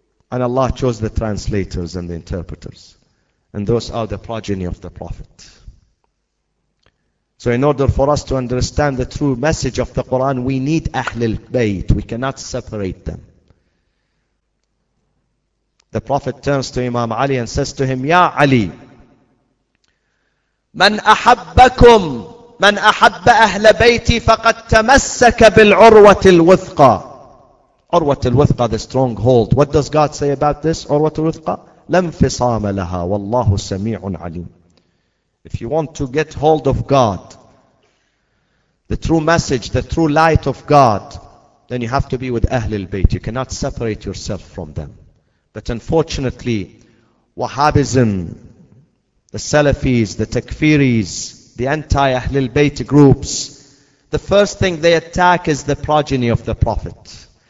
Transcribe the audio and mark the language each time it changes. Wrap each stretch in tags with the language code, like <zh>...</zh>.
<en>And Allah chose the translators and the interpreters. And those are the progeny of the Prophet. So in order for us to understand the true message of the Quran, we need Ahlul Bayt. We cannot separate them. The Prophet turns to Imam Ali and says to him, Ya Ali,</en> <ar>من أحبكم من أحب أهل بيتي فقد تمسك بالعروة الوثقى.</ar> <en>عروة الوثقى, the stronghold. What does God say about this?</en> <ar>عروة الوثقى, لا انفصام لها والله سميع عليم.</ar> <en>If you want to get hold of God, the true message, the true light of God, then you have to be with Ahlul Bayt. You cannot separate yourself from them. But unfortunately, Wahhabism, the Salafis, the Takfiris, the anti-Ahlul Bayt groups, the first thing they attack is the progeny of the Prophet.</en>